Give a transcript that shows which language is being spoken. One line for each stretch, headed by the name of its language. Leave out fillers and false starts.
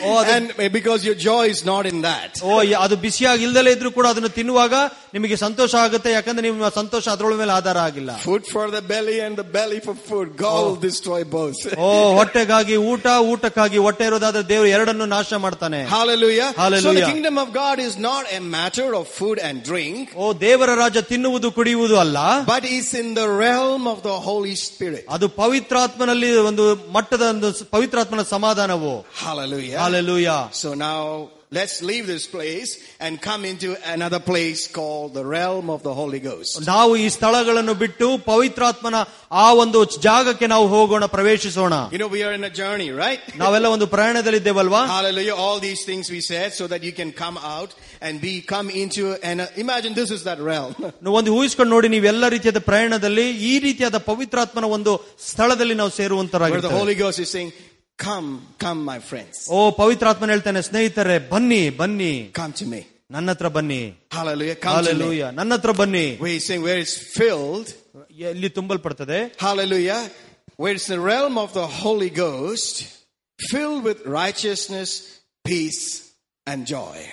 English: And because your joy is not in that. Food for the belly and the belly for food. God will destroy both. Hallelujah. So the kingdom of God is not a matter of food and drink.
Kannada: ತಿನ್ನುವುದು ಕುಡಿಯುವುದು ಅಲ್ಲ
English: but is in the realm of the holy spirit
Kannada: ಅದು ಪವಿತ್ರಾತ್ಮನಲ್ಲಿ ಒಂದು ಮಟ್ಟದ ಒಂದು ಪವಿತ್ರಾತ್ಮನ ಸಮಾಧಾನವು
English: hallelujah hallelujah
Kannada: so ನಾವು
English: Let's leave this place and come into another place called the realm of the Holy Ghost.
Kannada: ನಾವು ಈ ಸ್ಥಳಗಳನ್ನು ಬಿಟ್ಟು ಪವಿತ್ರಾತ್ಮನ ಆ ಒಂದು ಜಾಗಕ್ಕೆ ನಾವು ಹೋಗೋಣ ಪ್ರವೇಶಿಸೋಣ.
English: You know, we are in a journey, right?
Kannada: ನಾವೆಲ್ಲ ಒಂದು ಪ್ರಯಾಣದಲ್ಲಿದ್ದೇವಲ್ವಾ?
English: Hallelujah, all these things we said so that you can come out and be come into and imagine this is that realm.
Kannada: ನೀವು ಒಂದು ಊಹಿಸಿಕೊಂಡು ನೋಡಿ ನೀವೆಲ್ಲ ರೀತಿಯ ಪ್ರಯಾಣದಲ್ಲಿ ಈ ರೀತಿಯಾದ ಪವಿತ್ರಾತ್ಮನ ಒಂದು ಸ್ಥಳದಲ್ಲಿ ನಾವು ಸೇರುವಂತರಾಗಿದ್ದೇವೆ.
English: The Holy Ghost is saying Come, my friends.
Kannada: Oh, Pavitratman heltane, snehitare, banni.
English: Come to me.
Kannada: Nannatra banni.
English: Hallelujah. Come Hallelujah. To me.
Kannada: Nannatra banni.
English: We're saying where it's filled.
Kannada: Elli tumbalpadutade.
English: Hallelujah. Where it's the realm of the Holy Ghost, filled with righteousness, peace, and joy.